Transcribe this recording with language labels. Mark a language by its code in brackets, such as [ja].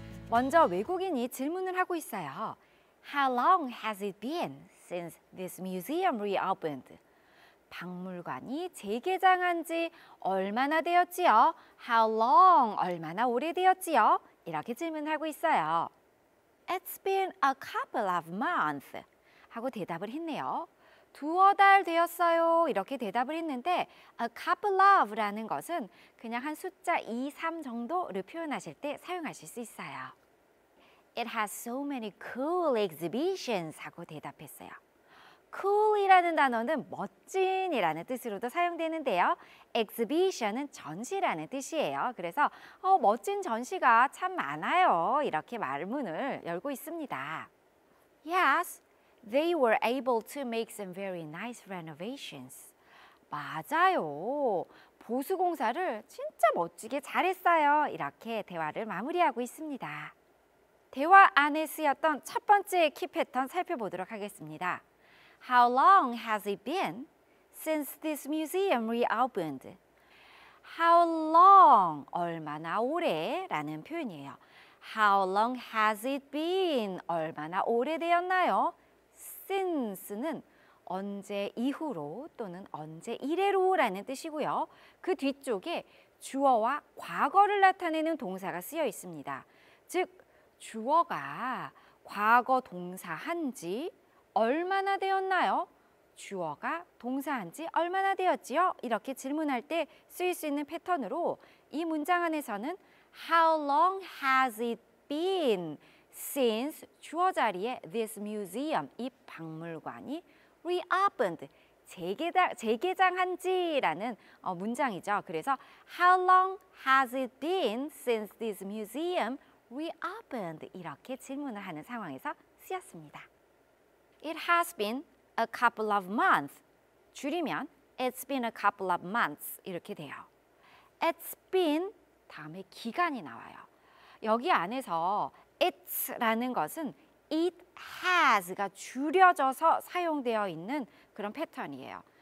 [ko] 먼저 외국인이 질문을 하고 있어요. [en] How long has it been since this museum reopened? [ko] 박물관이 재개장한 지 얼마나 되었지요? [en] How long? [ko] 얼마나 오래되었지요? 이렇게 질문을 하고 있어요. [en] It's been a couple of months [ko] 하고 대답을 했네요. 두어 달 되었어요. 이렇게 대답을 했는데 a couple of라는 것은 그냥 한 숫자 2, 3 정도를 표현하실 때 사용하실 수 있어요. [en] It has so many cool exhibitions [ko] 하고 대답했어요. Cool이라는 단어는 멋진이라는 뜻으로도 사용되는데요. Exhibition은 전시라는 뜻이에요. 그래서 멋진 전시가 참 많아요. 이렇게 말문을 열고 있습니다. [en] Yes, they were able to make some very nice renovations. [ko] 맞아요. 보수공사를 진짜 멋지게 잘했어요. 이렇게 대화를 마무리하고 있습니다. 대화 안에 쓰였던 첫 번째 키 패턴 살펴보도록 하겠습니다. [en] How long has it been since this museum reopened? How long? [ko] 얼마나 오래? 라는 표현이에요. [en] How long has it been? [ko] 얼마나 오래되었나요? Since는 언제 이후로 또는 언제 이래로라는 뜻이고요. 그 뒤쪽에 주어와 과거를 나타내는 동사가 쓰여 있습니다. 즉, 주어가 과거 동사한 지 얼마나 되었나요? 주어가 동사한 지 얼마나 되었지요? 이렇게 질문할 때 쓰일 수 있는 패턴으로 이 문장 안에서는 [en] How long has it been since [ko] 주어 자리에 [en] this museum, [ko] 이 박물관이 [en] reopened, [ko] 재개장한 지라는 문장이죠. [en] 그래서 How long has it been since this museum reopened? [ko] 이렇게 질문을 하는 상황에서 쓰였습니다. [en] It has been a couple of months. [ko] 줄이면 [en] It's been a couple of months. [ko] 이렇게 돼요. [en] It's been [ko] 다음에 기간이 나와요. 여기 안에서 it's라는 것은 it has가 줄여져서 사용되어 있는 그런 패턴이에요.